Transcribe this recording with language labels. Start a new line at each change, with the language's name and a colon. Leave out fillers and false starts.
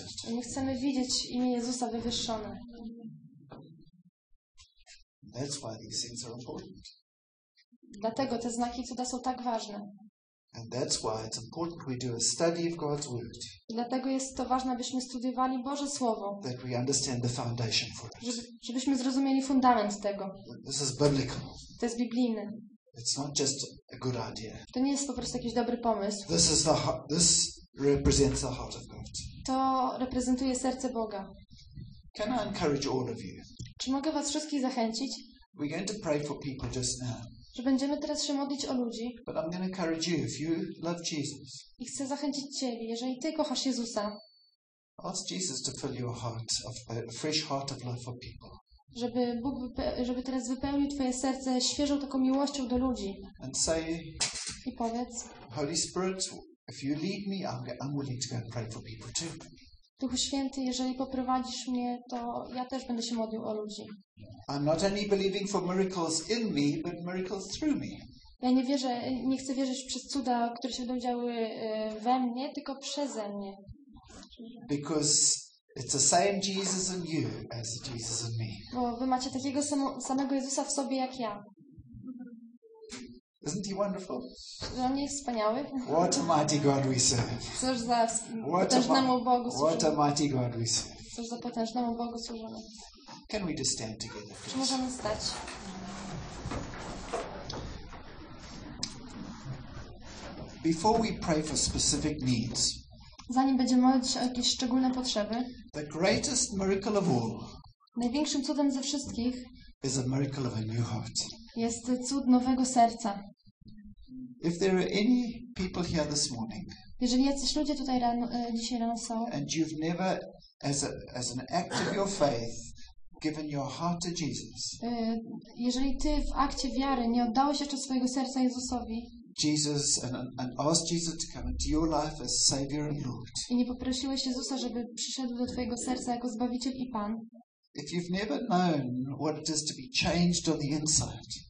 Polish: My chcemy widzieć imię Jezusa wywyższone.
English: That's why these things are important.
Polish: Dlatego te znaki i cuda są tak ważne.
English: And that's why it's important we do a study of God's word.
Polish: Dlatego jest to ważne, byśmy studiowali Boże słowo.
English: That we understand the foundation for it.
Polish: Żebyśmy zrozumieli fundament tego.
English: This is biblical.
Polish: To jest biblijne.
English: It's not just a good idea.
Polish: To nie jest po prostu jakiś dobry pomysł.
English: This represents the heart of God.
Polish: To reprezentuje serce Boga.
English: Can I encourage all of you?
Polish: Czy mogę was wszystkich zachęcić?
English: We're going to pray for people just now.
Polish: Że będziemy teraz się modlić o ludzi.
English: But I'm going to encourage you if you love Jesus.
Polish: I chcę zachęcić ciebie, jeżeli ty kochasz Jezusa.
English: Ask Jesus to fill your heart of a fresh heart of love for people.
Polish: Żeby Bóg, żeby teraz wypełnił twoje serce świeżą taką miłością do ludzi.
English: And say,
Polish: i powiedz,
English: Holy Spirit, if you lead me, I'm willing to go and pray for people too.
Polish: Duchu Święty, jeżeli poprowadzisz mnie, to ja też będę się modlił o ludzi.
English: I'm not only believing for miracles in me, but miracles through me.
Polish: Ja nie wierzę, nie chcę wierzyć przez cuda, które się będą działy we mnie, tylko przeze mnie.
English: Because it's the same Jesus in you as Jesus in me.
Polish: Bo wy macie takiego samego Jezusa w sobie jak ja.
English: Isn't he wonderful?
Polish: Że on jest wspaniały.
English: What a mighty God we serve.
Polish: Cóż za potężnemu Bogu służymy.
English: What a mighty God we serve.
Polish: Cóż za potężnemu Bogu służymy.
English: Can we just stand together, please?
Polish: Czy możemy stać?
English: Before we pray for specific needs.
Polish: Zanim będziemy modlić się o jakieś szczególne potrzeby.
English: The greatest miracle of all.
Polish: Największym cudem ze wszystkich.
English: Is a miracle of a new heart.
Polish: Jest cud nowego serca.
English: If there are any people here this morning.
Polish: Jeżeli jacyś ludzie tutaj rano, dzisiaj rano są.
English: And you've never, as an act of your faith, given your heart to Jesus.
Polish: Jeżeli ty w akcie wiary nie oddałeś jeszcze swojego serca Jezusowi.
English: Jesus and ask Jesus to come into your life as Savior and Lord.
Polish: I nie poprosiłeś Jezusa, żeby przyszedł do twojego serca jako Zbawiciel i Pan.
English: If you've never known what it is to be changed on the inside.